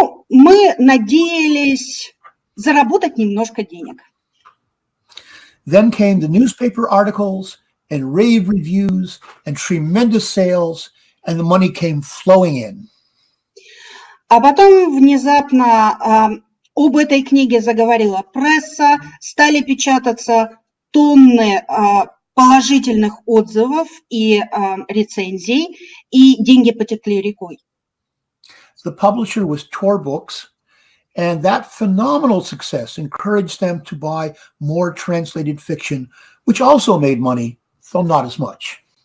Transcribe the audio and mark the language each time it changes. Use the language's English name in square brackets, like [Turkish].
[Russian] Мы надеялись заработать немножко денег. [English] Then came the newspaper articles and rave reviews and tremendous sales, and the money came flowing in. [Russian] А потом внезапно об этой книге заговорила пресса, стали печататься тонны положительных отзывов и рецензий, и деньги потекли рекой. [English] The publisher was Tor Books. And that phenomenal success encouraged them to buy more translated fiction, which also made money, though not as much.